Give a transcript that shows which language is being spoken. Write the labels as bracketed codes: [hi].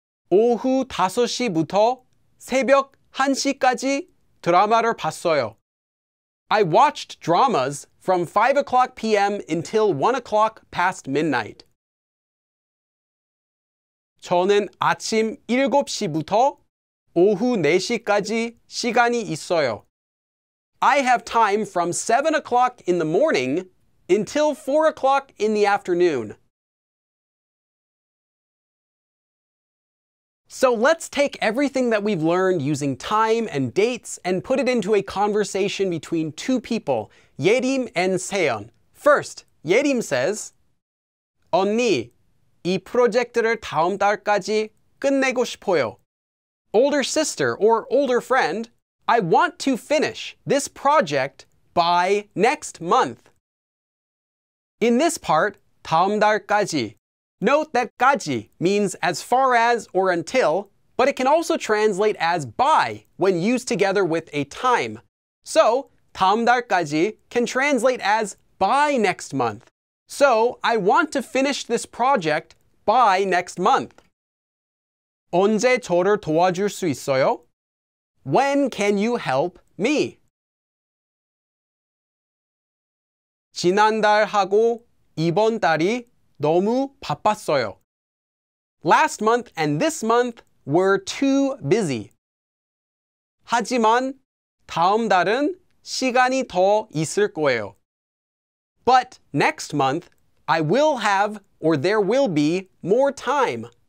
[ko] 오후 5시부터 새벽 1시까지 드라마를 봤어요. [en] I watched dramas from 5 o'clock p.m. until 1 o'clock past midnight. [ko] 저는 아침 7시부터 오후 4시까지 시간이 있어요. [en] I have time from 7 o'clock in the morning until 4 o'clock in the afternoon. So let's take everything that we've learned using time and dates and put it into a conversation between two people, Yerim and Seon. First, Yerim says, [ko] 언니, 이 프로젝트를 다음 달까지 끝내고 싶어요. [en] Older sister or older friend, I want to finish this project by next month. In this part, [ko] 다음 달까지. [en] Note that 까지 means as far as or until, but it can also translate as by when used together with a time. So, [ko] 다음 달까지 [en] can translate as by next month. So, I want to finish this project by next month. [ko] 언제 저를 도와줄 수 있어요? [en] When can you help me? [ko] 지난달하고 이번 달이 너무 바빴어요. [en] Last month and this month were too busy. [ko] 하지만 다음 달은 시간이 더 있을 거예요. [en] But next month, I will have or there will be more time.